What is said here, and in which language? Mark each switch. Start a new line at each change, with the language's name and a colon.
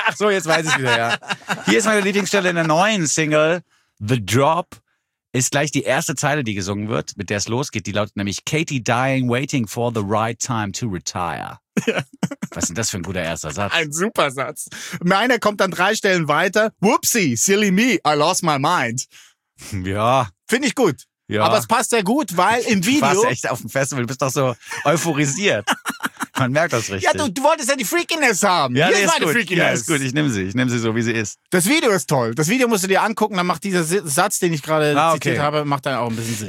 German: Ach so, jetzt weiß ich wieder, ja. Hier ist meine Lieblingsstelle in der neuen Single. The Drop ist gleich die erste Zeile, die gesungen wird, mit der es losgeht. Die lautet nämlich
English: Katie dying, waiting for the right time to retire.
German: Ja. Was ist denn das für ein guter erster Satz? Ein super Satz. Meiner kommt dann drei Stellen weiter.
English: Whoopsie, silly me, I lost my mind.
German: Ja. Finde ich gut. Ja. Aber es passt sehr gut, weil im Video... Du warst echt auf dem Festival, du bist doch so euphorisiert. Man merkt das richtig. Ja, du wolltest ja die Freakiness haben. Ja, hier nee, ist meine Freakiness. Ja, ist gut, ich nehme sie so, wie sie ist. Das Video ist toll. Das Video musst du dir angucken, dann macht dieser Satz, den ich gerade zitiert habe, macht dann auch ein bisschen Sinn.